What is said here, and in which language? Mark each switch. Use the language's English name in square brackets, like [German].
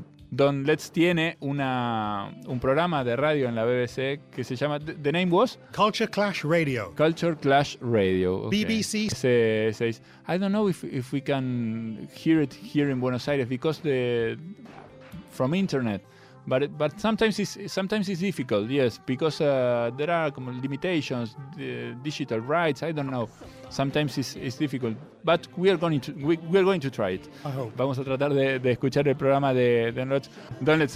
[Spanish] Don Letts tiene un programa de radio en la BBC que se llama... [English] The name was? Culture Clash Radio. Culture Clash Radio. Okay. BBC. Says, I don't know if we can hear it here in Buenos Aires because the... From internet... But sometimes it's difficult, yes, because there are limitations, digital rights. I don't know. Sometimes it's difficult, but we are going to try it. I hope. [Spanish] Vamos a tratar de escuchar el programa de Don Letts.